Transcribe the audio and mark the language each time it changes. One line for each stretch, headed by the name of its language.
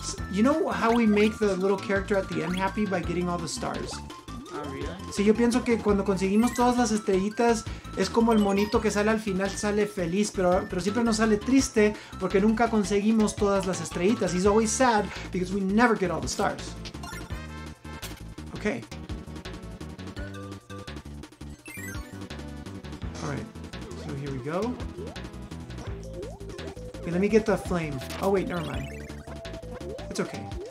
English: You know how we make the little character at the end happy by getting all the stars?
Spanish: Sí, yo pienso que cuando conseguimos todas las estrellitas, es como el monito que sale al final, sale feliz, pero siempre nos sale triste porque nunca conseguimos todas las estrellitas.
English: He's always sad because we never get all the stars. Okay. Alright, so here we go. Okay, let me get the flame. Oh wait, never mind. It's okay.